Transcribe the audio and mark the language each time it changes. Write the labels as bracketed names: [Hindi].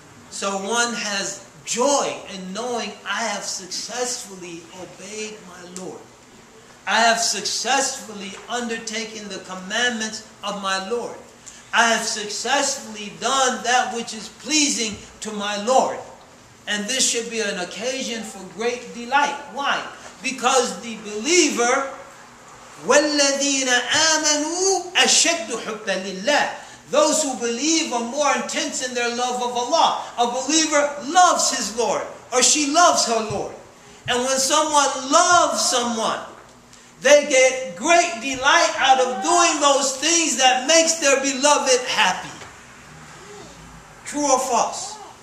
[English] So one has joy in knowing I have successfully obeyed my Lord. I have successfully undertaken the commandments of my Lord. I have successfully done that which is pleasing to my Lord. And this should be an occasion for great delight. Why? Because the believer, [Arabic] وَالَّذِينَ آمَنُوا أَشَدُّ حُبَّ لِلَّهِ. [English] Those who believe are more intense in their love of Allah. A believer loves his Lord, or she loves her Lord. And when someone loves someone, they get great delight out of doing those things that makes their beloved happy. True or false?